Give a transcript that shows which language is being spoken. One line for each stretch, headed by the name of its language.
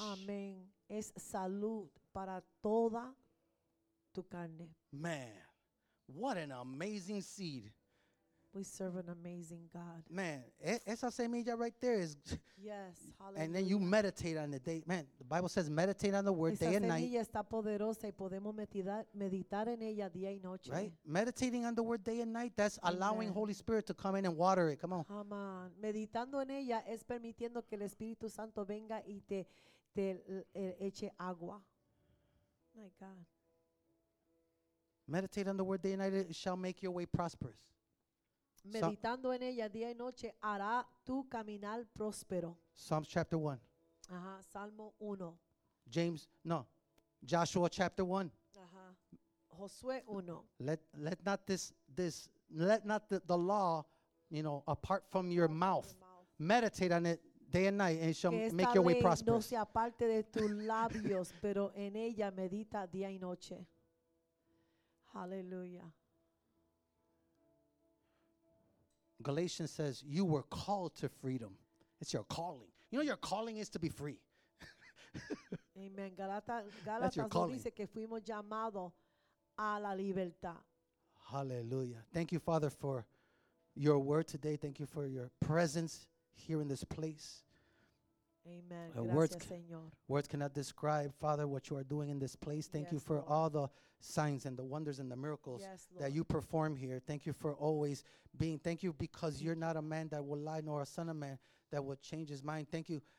Spanish: Amen. Es salud para toda tu carne.
English: Man, what an amazing seed. We serve an amazing God. Man,
Spanish: esa semilla
English: right there is. Yes, hallelujah. And then you meditate on the day. Man, the Bible says meditate on the word
Spanish: esa
English: day and night.
Spanish: Esa semilla está poderosa y podemos meditar en ella día y noche.
English: Right? Meditating on the word day and night, that's Amen. Allowing Holy Spirit to come in and water it. Come on. Come on.
Spanish: Meditando en ella es permitiendo que el Espíritu Santo venga y te eche agua.
English: My God. Meditate on the word day and night, it shall make your way prosperous.
Spanish: Meditando en ella día y noche hará tu caminar próspero.
English: Psalms chapter 1.
Spanish: Ajá, Salmo 1.
English: James, no. Joshua chapter 1.
Spanish: Ajá. Josué 1.
English: Let not this let not the law, you know, apart from your mouth. Meditate on it day and night and it shall make your way prosperous.
Spanish: No sea parte de tus labios, pero en ella medita día y noche.
English: Hallelujah. Galatians says you were called to freedom. It's your calling. You know your calling is to be free. Amen.
Spanish: Galatians dice que fuimos llamados a la libertad.
English: Hallelujah. Thank you, Father, for your word today. Thank you for your presence here in this place.
Spanish: Amen. Gracias, Señor.
English: Words cannot describe, Father, what you are doing in this place. Thank yes, you for Lord. All the signs and the wonders and the miracles yes, that you perform here. Thank you for always being. Thank you because you're not a man that will lie, nor a son of man that will change his mind. Thank you,